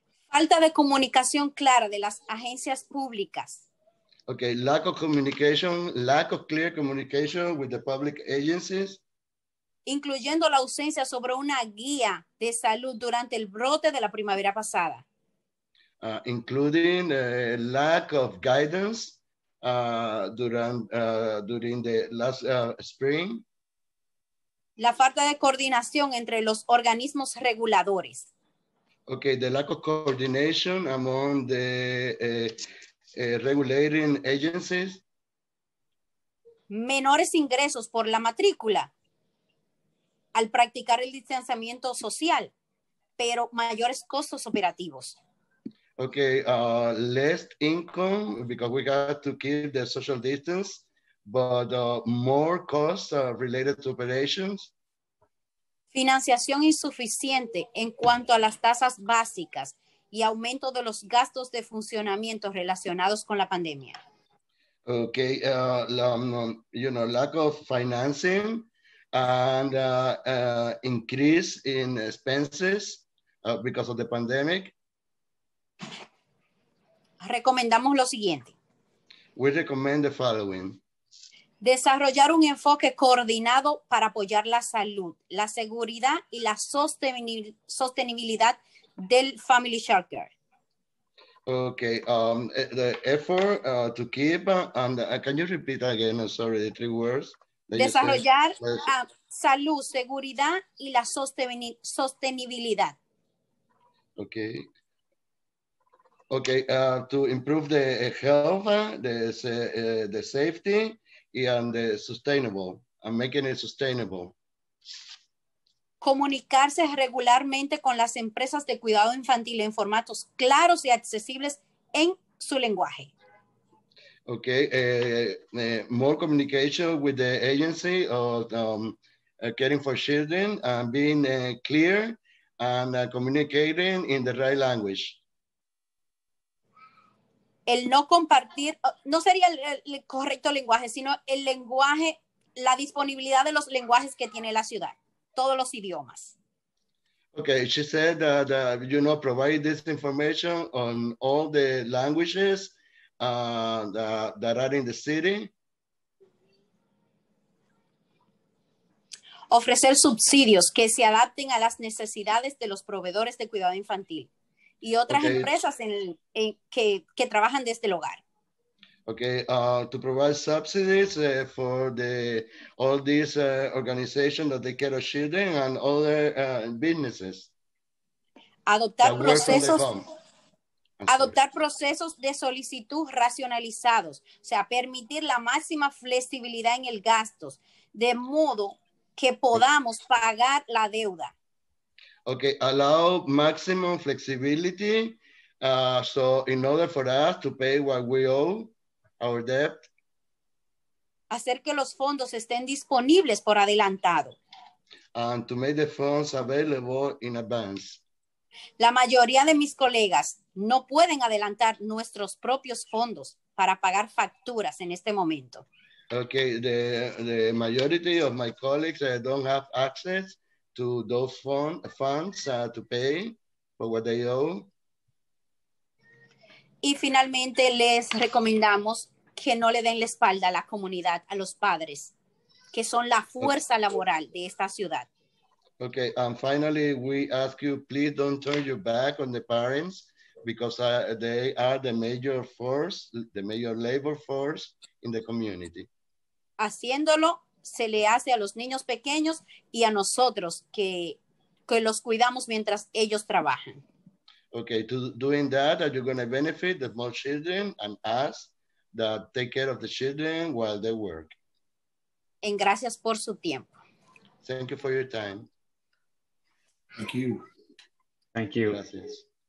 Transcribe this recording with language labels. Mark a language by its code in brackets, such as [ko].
[es] falta de comunicación clara de las agencias públicas. [en] Okay, lack of clear communication with the public agencies, [es] incluyendo la ausencia sobre una guía de salud durante el brote de la primavera pasada. [en] Including a lack of guidance during the last spring. [es] La falta de coordinación entre los organismos reguladores. [en] Okay, the lack of coordination among the regulating agencies. [es] Menores ingresos por la matrícula al practicar el distanciamiento social. pero mayores costos operativos. [en] Okay, less income because we got to keep the social distance, but more costs related to operations. [es] Financiación insuficiente en cuanto a las tasas básicas y aumento de los gastos de funcionamiento relacionados con la pandemia. [en] Okay, you know, lack of financing and increase in expenses because of the pandemic. [es] Recomendamos lo siguiente. [en] We recommend the following. [es] Desarrollar un enfoque coordinado para apoyar la salud, la seguridad y la sostenibilidad del family shelter. [en] Okay, the effort to keep, and can you repeat again, sorry, the three words? [es] Desarrollar salud, seguridad y la sostenibilidad. Okay. [en] Okay, to improve the health, the safety, and the sustainable, and making it sustainable. [es] Comunicarse regularmente con las empresas de cuidado infantil en formatos claros y accesibles en su lenguaje. [en] Okay, more communication with the agency of caring for children and being clear and communicating in the right language. [es] El no compartir, no sería el correcto lenguaje, sino el lenguaje, la disponibilidad de los lenguajes que tiene la ciudad. Todos los idiomas. [en] Okay, she said that, you know, provide this information on all the languages that are in the city. [es] Ofrecer subsidios que se adapten a las necesidades de los proveedores de cuidado infantil y otras okay. empresas que trabajan desde el hogar. [en] Okay, to provide subsidies for the all these organizations that take care of children and other businesses. [es] Adoptar procesos de solicitud racionalizados, o sea, permitir la máxima flexibilidad en el gasto, de modo que podamos pagar la deuda. [en] Okay, allow maximum flexibility, so in order for us to pay what we owe, our debt. [es] Hacer que los fondos estén disponibles por adelantado. [en] And to make the funds available in advance. [es] La mayoría de mis colegas no pueden adelantar nuestros propios fondos para pagar facturas en este momento. [en] Okay, the majority of my colleagues don't have access to those funds to pay for what they owe. [es] Y finalmente les recomendamos que no le den la espalda a la comunidad, a los padres, que son la fuerza laboral de esta ciudad. [en] Okay, and finally we ask you, please don't turn your back on the parents because they are the major force, the major labor force in the community. [es] Haciéndolo se le hace a los niños pequeños y a nosotros que los cuidamos mientras ellos trabajan. [en] Okay, to doing that, you're going to benefit the small children and us that take care of the children while they work. [es] En gracias por su tiempo. [en] Thank you for your time. Thank you. Thank you. [es] Gracias.